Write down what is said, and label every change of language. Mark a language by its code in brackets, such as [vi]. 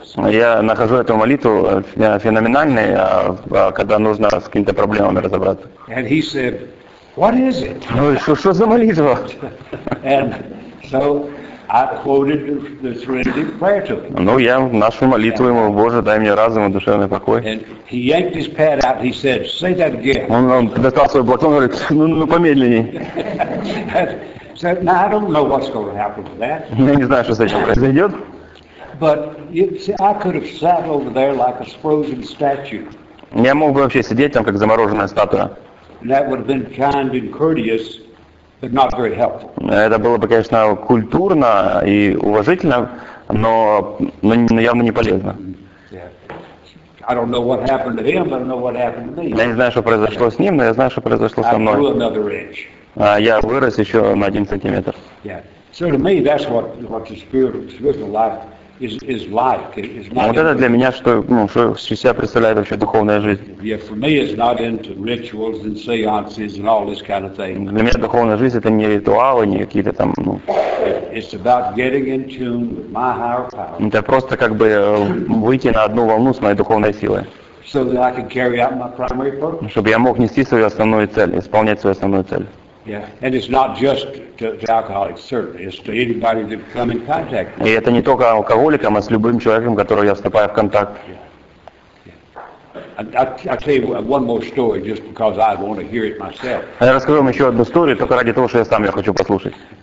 [ru] Я нахожу эту молитву феноменальной, когда нужно с какими-то проблемами разобраться. [en] And he said, what is it? [ru] Ну и что за молитва? [en] And so I quoted the Trinity prayer to him. [ru] Ну я нашу молитву ему, Боже, дай мне разум и душевный покой. [en] And he yanked his pad out. He said, say that again. [ru] Он достал свой блокнот и говорит, ну помедленнее. [en] Said, now I don't know what's going to happen with that. [ru] Я не знаю, что с этим произойдет. [en] But you see, I could have sat over there like a frozen statue. [ru] Я мог бы вообще сидеть там как замороженная статуя. [en] That would have been kind and courteous, but not very helpful. [ru] Это было бы, конечно, культурно и уважительно, но явно не полезно. [en] I don't know what happened to him, but I know what happened to me. [ru] Я не знаю, что произошло с ним, но я знаю, что произошло со мной. [en] I grew another inch. [ru] А я вырос еще на 1 сантиметр. [en] Yeah. So to me, that's what the spiritual life. Is life. [ru] Вот это для меня, что, ну, что из себя представляет вообще духовная жизнь. [en] Yeah, for me it's not into rituals and seances and all this kind of thing. [ru] Для меня духовная жизнь это не ритуалы, не какие-то там. Ну, [en] it's about getting in tune with my higher power. [ru] Это просто как бы выйти на одну волну с моей духовной силой. [en] So that I can carry out my primary purpose. [ru] Чтобы я мог нести свою основную цель, исполнять свою основную цель. [en] Yeah, and it's not just to alcoholics, certainly. It's to anybody that come in contact. [ru] И это не только алкоголикам, а с любым человеком, которого я вступаю в контакт. [en] I'll tell you one more story, just because I want to hear it myself. [ru] Я расскажу вам еще одну историю, только ради того, что я сам ее хочу послушать.